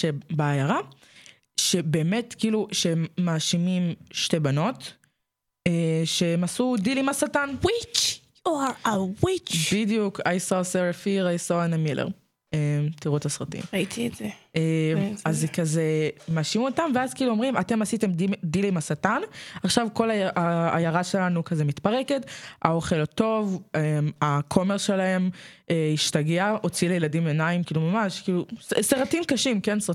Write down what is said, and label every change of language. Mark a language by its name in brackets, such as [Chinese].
[Hebrew] 1666. שכל הקטע שבאמת כאילו שמאשימים שתי בנות שהם עשו דיל עם השטן. [English] Witch, you are a witch. [Hebrew] בדיוק, [English] I saw Sarah Fear, I saw Anna Miller. [Hebrew] תראו את הסרטים. ראיתי את זה. אז זה כזה מאשימו אותם, ואז כאילו אומרים, אתם עשיתם דיל עם השטן, עכשיו כל העיירה שלנו כזה מתפרקת, האוכל טוב, הכומר שלהם השתגע, הוציא לילדים עיניים, כאילו ממש, כאילו, סרטים קשים, כן?